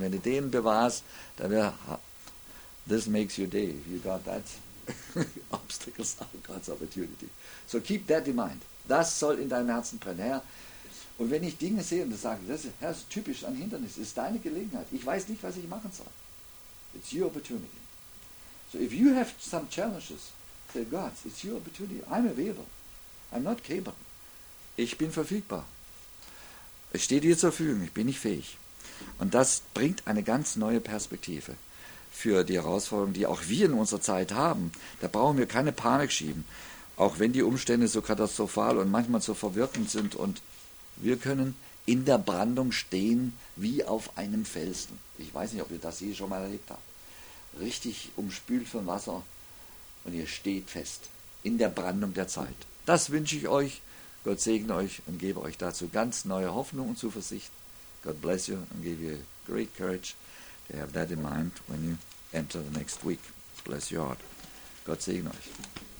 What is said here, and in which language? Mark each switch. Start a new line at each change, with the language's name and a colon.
German: Und wenn du den bewahrst, dann wäre,
English: this makes your day, you got that. Obstacles are God's opportunity. So keep that in mind.
German: Das soll in deinem Herzen brennen, Herr. Und wenn ich Dinge sehe und sage, das ist, Herr, das ist typisch ein Hindernis, ist deine Gelegenheit. Ich weiß nicht, was ich machen soll.
English: It's your opportunity. So if you have some challenges, say, God, it's your opportunity. I'm available. I'm not capable.
German: Ich bin verfügbar. Ich stehe dir zur Verfügung. Ich bin nicht fähig. Und das bringt eine ganz neue Perspektive für die Herausforderungen, die auch wir in unserer Zeit haben. Da brauchen wir keine Panik schieben, auch wenn die Umstände so katastrophal und manchmal so verwirrend sind. Und wir können in der Brandung stehen wie auf einem Felsen. Ich weiß nicht, ob ihr das je schon mal erlebt habt. Richtig umspült von Wasser und ihr steht fest in der Brandung der Zeit. Das wünsche ich euch. Gott segne euch und gebe euch dazu ganz neue Hoffnung und Zuversicht.
English: God bless you and give you great courage. You have that in mind when you enter the next week. Bless your heart. God
German: segne euch.